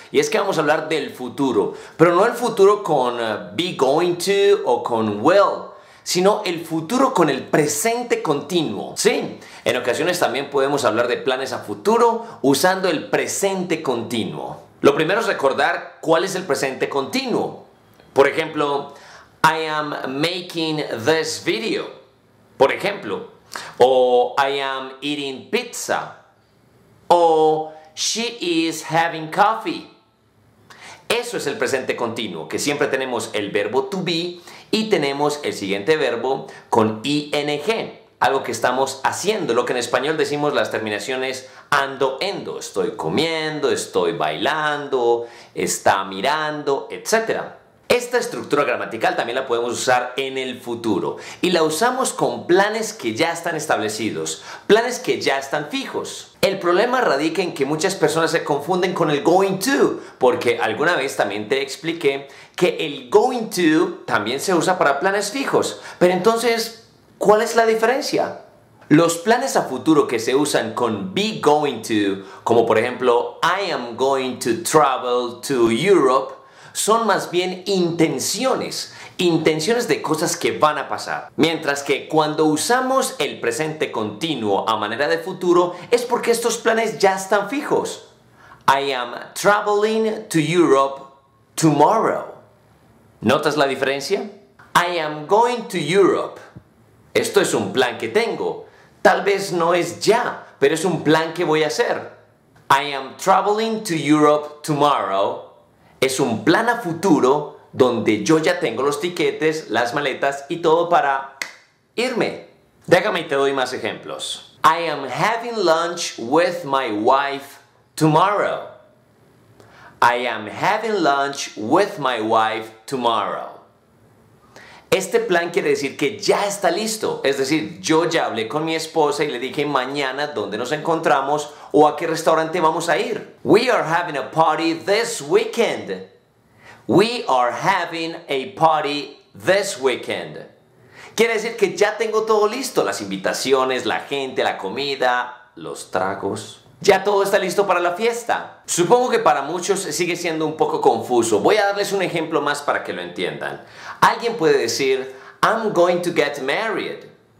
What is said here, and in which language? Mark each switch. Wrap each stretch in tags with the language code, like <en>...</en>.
<es>Y es que vamos a hablar del futuro, pero no el futuro con be going to o con will, sino el futuro con el presente continuo. Sí, en ocasiones también podemos hablar de planes a futuro usando el presente continuo. Lo primero es recordar cuál es el presente continuo.</es> <en>Por ejemplo, I am making this video. Por ejemplo, o I am eating pizza, o she is having coffee.</en> <es>Eso es el presente continuo, que siempre tenemos el verbo to be y tenemos el siguiente verbo con ing, algo que estamos haciendo, lo que en español decimos las terminaciones ando, endo, estoy comiendo, estoy bailando, está mirando, etc. Esta estructura gramatical también la podemos usar en el futuro y la usamos con planes que ya están establecidos, planes que ya están fijos. El problema radica en que muchas personas se confunden con el going to, porque alguna vez también te expliqué que el going to también se usa para planes fijos. Pero entonces, ¿cuál es la diferencia? Los planes a futuro que se usan con be going to, como por ejemplo, I am going to travel to Europe, son más bien intenciones de cosas que van a pasar. Mientras que cuando usamos el presente continuo a manera de futuro, es porque estos planes ya están fijos.</es> <en>I am traveling to Europe tomorrow. ¿Notas la diferencia? I am going to Europe.</en> <es>Esto es un plan que tengo. Tal vez no es ya, pero es un plan que voy a hacer.</es> <en>I am traveling to Europe tomorrow.</en> <es>Es un plan a futuro donde yo ya tengo los tiquetes, las maletas y todo para irme. Déjame y te doy más ejemplos.</es> <en>I am having lunch with my wife tomorrow. I am having lunch with my wife tomorrow.</en> <es>Este plan quiere decir que ya está listo. Es decir, yo ya hablé con mi esposa y le dije mañana dónde nos encontramos o a qué restaurante vamos a ir.</es> <en>We are having a party this weekend. We are having a party this weekend.</en> <es>Quiere decir que ya tengo todo listo. Las invitaciones, la gente, la comida, los tragos. Ya todo está listo para la fiesta. Supongo que para muchos sigue siendo un poco confuso. Voy a darles un ejemplo más para que lo entiendan. Alguien puede decir, I'm going to get married.</es>